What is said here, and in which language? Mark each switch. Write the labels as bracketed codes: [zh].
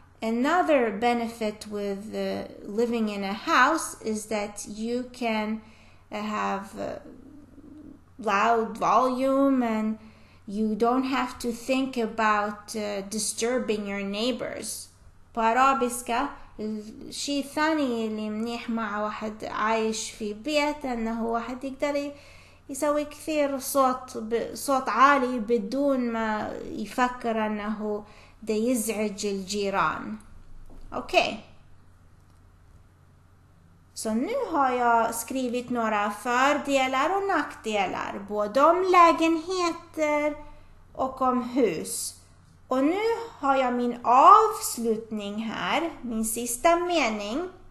[en] Another benefit with living in a house is that you can have loud volume and you don't have to think about disturbing your neighbors. [sv] På arabiska, [ar] الشيء الثاني اللي منيح مع واحد عايش في بيت انه واحد يقدر يسوي كثير صوت عالي بدون ما يفكر انه ده يزعج الجيران. [en] Okay. [sv] Så nu har jag skrivit några fördelar och nackdelar, både om lägenheter och om hus. Och nu har jag min avslutning här, min sista mening.